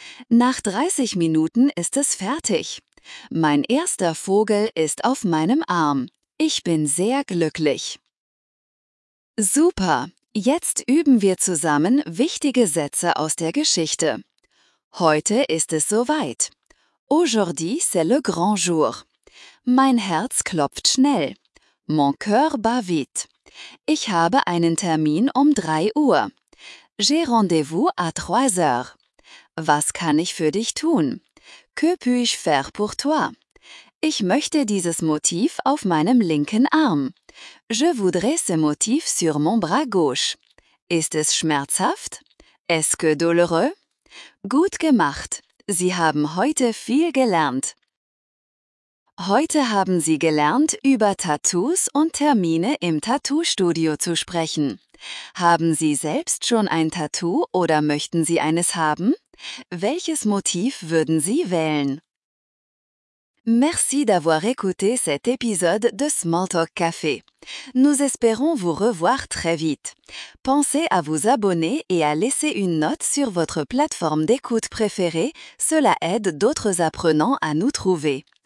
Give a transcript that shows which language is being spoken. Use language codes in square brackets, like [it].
[de] Nach 30 Minuten ist es fertig. Mein erster Vogel ist auf meinem Arm. Ich bin sehr glücklich. Super! Jetzt üben wir zusammen wichtige Sätze aus der Geschichte. Heute ist es soweit. [fr] Aujourd'hui, c'est le grand jour. [de] Mein Herz klopft schnell. [fr] Mon cœur bat vite. [de] Ich habe einen Termin um 3 Uhr. [fr] J'ai rendez-vous à 3 heures. [de] Was kann ich für dich tun? [fr] Que puis-je faire pour toi? [de] Ich möchte dieses Motiv auf meinem linken Arm. [fr] Je voudrais ce motif sur mon bras gauche. [de] Ist es schmerzhaft? [fr] Est-ce que douloureux? [de] Gut gemacht. Sie haben heute viel gelernt. Heute haben Sie gelernt, über Tattoos und Termine im Tattoo-Studio zu sprechen. Haben Sie selbst schon ein Tattoo oder möchten Sie eines haben? Welches Motiv würden Sie wählen? [fr] Merci d'avoir écouté cet épisode de Small Talk Café. Nous espérons vous revoir très vite. Pensez à vous abonner et à laisser une note sur votre plateforme d'écoute préférée, cela aide d'autres apprenants à nous trouver.